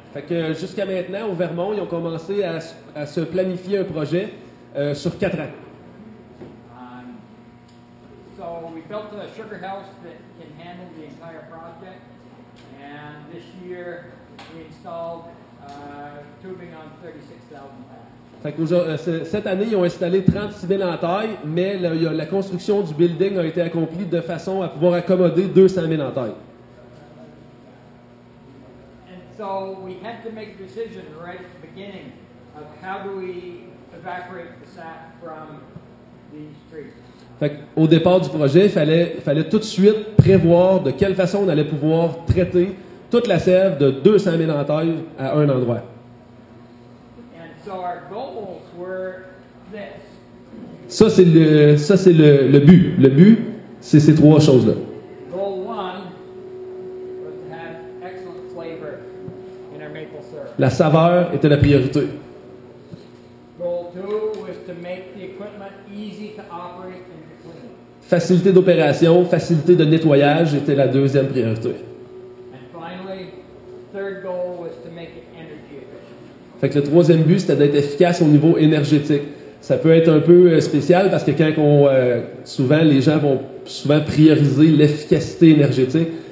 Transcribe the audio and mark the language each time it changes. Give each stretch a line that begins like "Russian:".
French: Fait que jusqu'à maintenant, au Vermont, ils ont commencé à se planifier un projet sur 4 ans.
English: So we built a sugar house that can handle the entire project. And this year, we installed tubing on 36,000 pounds.
French: Cette année, ils ont installé 36 000 en taille, mais la construction du building a été accomplie de façon à pouvoir accommoder 200 000 en taille.
English: And so we had to make a decision right at the beginning of how do we evaporate the sap from these trees.
French: Fait qu'au départ du projet, il fallait tout de suite prévoir de quelle façon on allait pouvoir traiter toute la sève de 200 000 en taille à un endroit.
English: So our goals were this.
French: Ça c'est le but. Le but, c'est ces trois choses-là.
English: Goal one was to have excellent flavor in our maple syrup.
French: La saveur était la priorité.
English: Goal two was to make the equipment easy to operate and to clean.
French: Facilité d'opération, facilité de nettoyage était la deuxième priorité.
English: And finally, third goal was to make it energy efficient.
French: Fait que le troisième but, c'était d'être efficace au niveau énergétique. Ça peut être un peu spécial parce que les gens vont souvent prioriser l'efficacité énergétique.